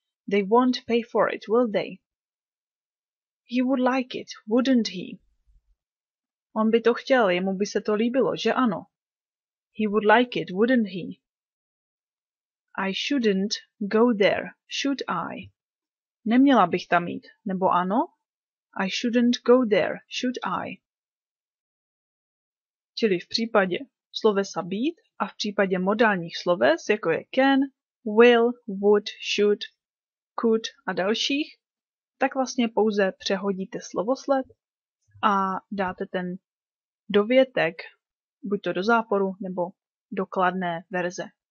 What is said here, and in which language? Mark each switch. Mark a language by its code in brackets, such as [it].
[en] They won't pay for it, will they? He would like it, wouldn't he? [cs] On by to chtěl, jemu by se to líbilo, že ano? [en] He would like it, wouldn't he? I shouldn't go there, should I? [cs] Neměla bych tam jít, nebo ano? [en] I shouldn't go there, should I? [cs] Čili v případě slovesa být a v případě modálních sloves, jako je can, will, would, should, could a dalších, tak vlastně pouze přehodíte slovosled a dáte ten dovětek buď to do záporu nebo do kladné verze.